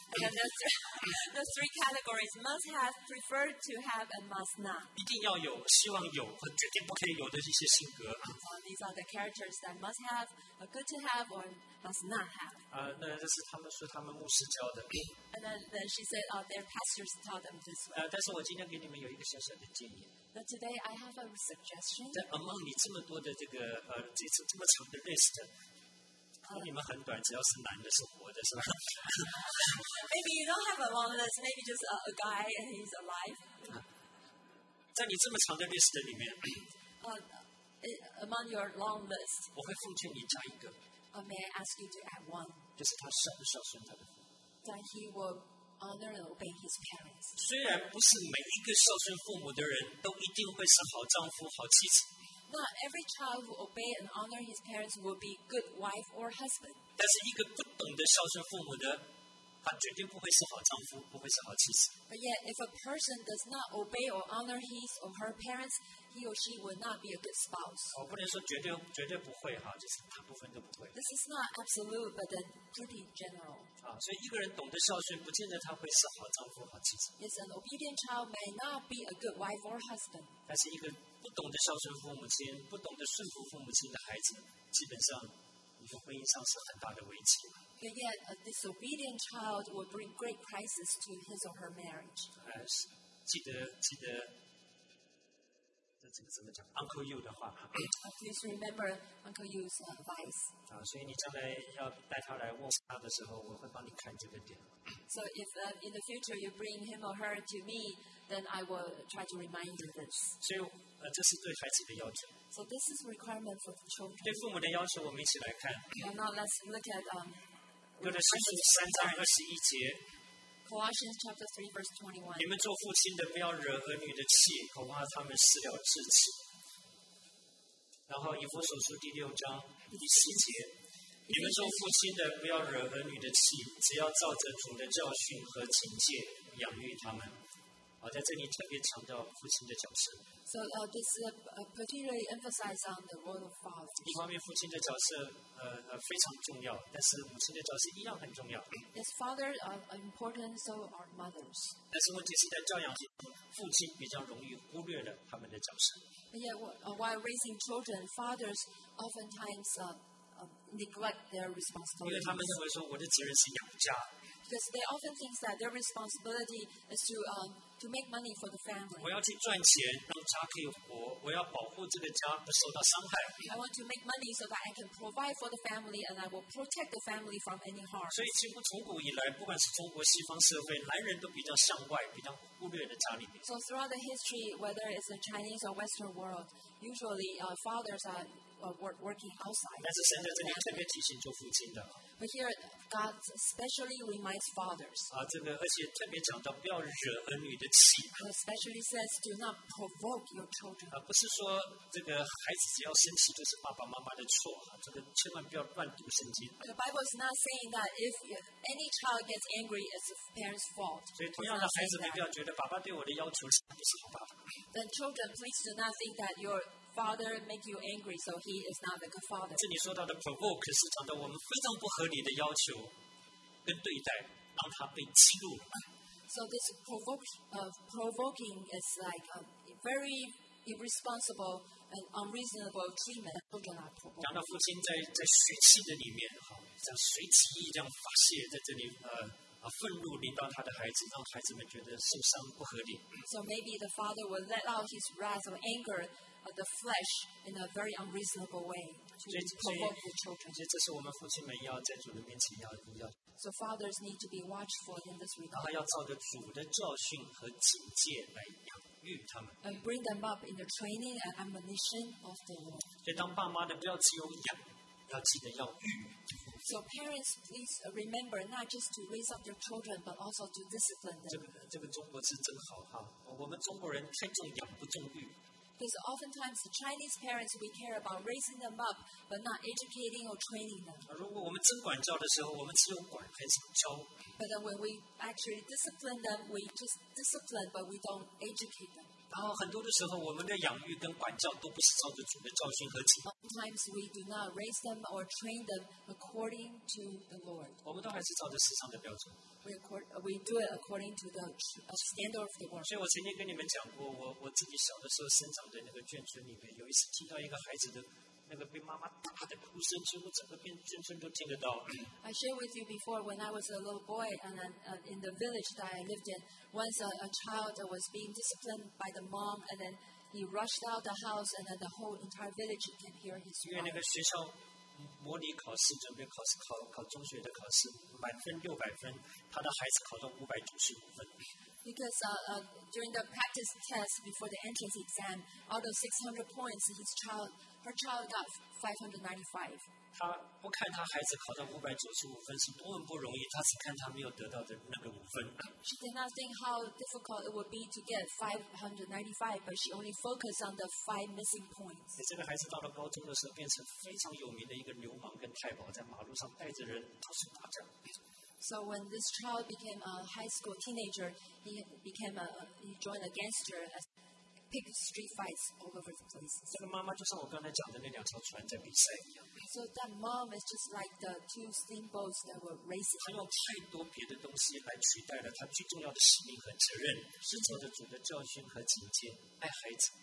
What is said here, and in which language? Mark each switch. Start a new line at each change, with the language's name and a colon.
English: And the three categories: must have, prefer to have, and must not.
Chinese: 一定要有，希望有，和绝对不可以有的一些性格。
English: These are the characters that must have, are good to have, or must not have.
Chinese: 那这是他们说他们牧师教的。
English: And then she said, their pastors taught them this way.
Chinese: 但是我今天给你们有一个小小的建议。
English: But today I have a suggestion.
Chinese: 在
English: among
Chinese: 你这么多的这个这次这么长的 list。你们很短，只要是男的，是活的，是吧
English: ？Maybe you don't have a long list. Maybe just a guy and he's alive.
Chinese: 在你这么长的 list 里面
English: ，among your long list，
Chinese: 我会奉劝你加一个。
English: May I ask you to add one？
Chinese: 就是他孝不孝顺他的父母。
English: That he will honor and obey his parents.
Chinese: 虽然不是每一个孝顺父母的人都一定会是好丈夫、好妻子。
English: Not every child who obey and honor his parents will be good wife or husband.
Chinese: 但是一个不懂得孝顺父母的，他绝对不会是好丈夫，不会是好妻子。
English: But yet, if a person does not obey or honor his or her parents, he or she will not be a good spouse.
Chinese: 我不能说绝对不会哈，就是大部分都不会。
English: This is not absolute, but then pretty general.
Chinese: 啊，所以一个人懂得孝顺，不见得他会是好丈夫、好妻子。
English: Yes, an obedient child may not be a good wife or husband.
Chinese: 但是一个不懂得孝顺父母亲、不懂得顺服父母亲的孩子，基本上你的婚姻上是很大的危机。
English: But yet, a disobedient child will bring great crisis to his or her marriage.
Chinese: 记得，这个怎么讲 ？Uncle Yu 的话。
English: Please remember Uncle Yu's advice.
Chinese: 啊，所以你将来要带他来问他的时候，我会帮你看这个点。
English: So if in the future you bring him or her to me, then I will try to remind you this.
Chinese: 所以，这是对孩子的要求。
English: So this is requirement for children.
Chinese: 对父母的要求，我们一起来看。
English: Now let's look at
Chinese: 哥罗西书三章二十一节。
English: Colossians chapter 3 verse 21。
Chinese: 你们做父亲的不要惹儿女的气，恐怕他们失了智慧。然后以弗所书第六章第七节。你们做父亲的不要惹儿女的气，只要照着主的教训和警戒养育他们。好，在这里特别强调父亲的角色。
English: So this particularly emphasizes on the role of father.
Chinese: 一方面，父亲的角色非常重要，但是母亲的角色一样很重要。
English: Yes, father are important, so are mothers.
Chinese: 但是问题是在教养中，父亲比较容易忽略了他们的角色。
English: Yeah, while raising children, fathers oftentimes neglect their responsibilities.
Chinese: 因为他们认为说我的责任是养家。
English: Because they often think that their responsibility is to make money for the family.
Chinese: 我要去赚钱，让家可以活。我要保护这个家不受到伤害。
English: I want to make money so that I can provide for the family, and I will protect the family from any harm.
Chinese: 所以几乎从古以来，不管是中国西方社会，男人都比较向外，比较忽略了家里面。
English: So throughout the history, whether it's the Chinese or Western world, usually fathers are working outside.
Chinese: 但是神在这里特别提醒做父亲的。
English: But here, God especially reminds fathers.
Chinese: 啊，这个而且特别讲到不要惹儿女的气。
English: Especially says, do not provoke your children.
Chinese: 啊，不是说这个孩子只要生气就是爸爸妈妈的错啊，这个千万不要乱读圣经。
English: The Bible is not saying that if any child gets angry, it's the parents' fault.
Chinese: 所以同样的，孩子们不要觉得爸爸对我的要求是不是好爸爸。
English: Then children, please do not think that your father make you angry, so he is not a good father.
Chinese: 这里说到的 provoke 是讲到我们非常不合理的要求跟对待，让他被激怒。
English: So this provoking is like a very irresponsible and unreasonable treatment.
Chinese: 讲到父亲在血气的里面，哈，这样随即这样发泄在这里，愤怒临到他的孩子，让孩子们觉得受伤不合理。
English: So maybe the father would let out his wrath or anger of the flesh in a very unreasonable way to provoke the children.
Chinese: 所以这是我们父亲们要在主的面前要。
English: So fathers need to be watchful in this regard.
Chinese: 然后要照着主的教训和警戒来养育他们。
English: And bring them up in the training and admonition of the Lord.
Chinese: 所以当爸妈的不要只有养，要记得要育。
English: So parents, please remember not just to raise up their children, but also to discipline them.
Chinese: 这个中国字真好哈，我们中国人太重养不重育。
English: Because oftentimes the Chinese parents we care about raising them up, but not educating or training them.
Chinese: 如果我们真管教的时候，我们只有管还是教。
English: But then when we actually discipline them, we just discipline, but we don't educate them.
Chinese: 然后很多的时候，我们的养育跟管教都不是照着主的教训和警戒。
English: Sometimes we do not raise them or train them according to the Lord.
Chinese: 我们都还是照着世上的标准。
English: We do it according to the standard of the world.
Chinese: 所以我曾经跟你们讲过，我自己小的时候生长在那个眷村里面，有一次听到一个孩子的那个被妈妈打的哭声，几乎整个眷村都听得到。
English: I shared with you before when I was a little boy and in the village that I lived in, once a child was being disciplined by the mom and then he rushed out the house and then the whole entire village can hear his cry.
Chinese: 因为那个学校模拟考试，准备考试考中学的考试，满分600分，他的孩子考到595分。
English: Because during the practice test before the entrance exam, out of 600 points, her child got 595.
Chinese: 他不看他孩子考到595分是多么不容易，他只看他没有得到的那个五分。
English: She did not think how difficult it would be to get 595, but she only focused on the 5 missing points.
Chinese: 这个孩子到了高中的时候，变成非常有名的一个流氓跟太保，在马路上带着人到处打架。
English: So when this child became a high school teenager, he joined a gangster and picked street fights all over the place.
Chinese: 这个妈妈就像我刚才讲的那两艘船在比赛一样。
English: So that mom is just like the two steamboats that were racing.
Chinese: 她用太多别的东西来取代了她最重要的使命和责任，是照着主的教训和警戒爱孩子。